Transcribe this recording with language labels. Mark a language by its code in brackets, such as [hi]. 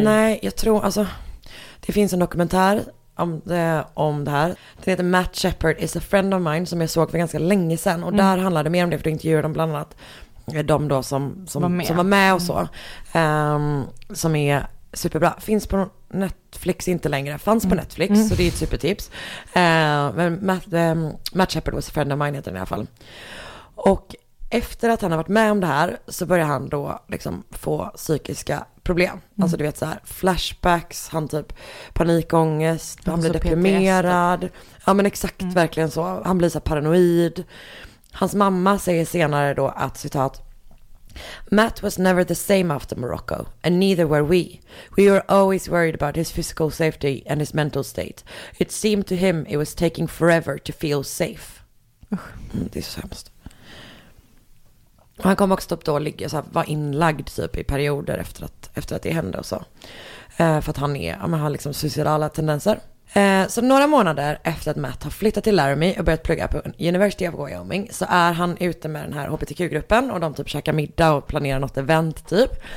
[sv] Nej, jag tror, alltså, det finns en dokumentär om det här. Den heter Matt Shepard is a friend of mine, som jag såg för ganska länge sedan. Och där handlade det mer om det, för att intervjua dem bland annat. De då som var med och så. Som är superbra. Finns på Netflix, inte längre. Fanns på Netflix, så det är ett supertips. Men Matt Shepard was a friend of mine heter den i alla fall. Och efter att han har varit med om det här så börjar han då liksom få psykiska problem. Mm. Alltså du vet så här, flashbacks, han typ panikångest, han blir deprimerad. PTSD. Ja men exakt, verkligen så. Han blir så paranoid. Hans mamma säger senare då att, citat, [en] Matt was never the same after Morocco, and neither were we. We were always worried about his physical safety and his mental state. It seemed to him it was taking forever to feel safe. [sv] Det är så hemskt. Och han kom också upp då ligga så här, var inlagd typ i perioder efter att det hände och så. För att han har liksom suicidala tendenser. Så några månader efter att Matt har flyttat till Laramie och börjat plugga på University of Wyoming så är han ute med den här HBTQ-gruppen och de typ käkar middag och planerar något event typ.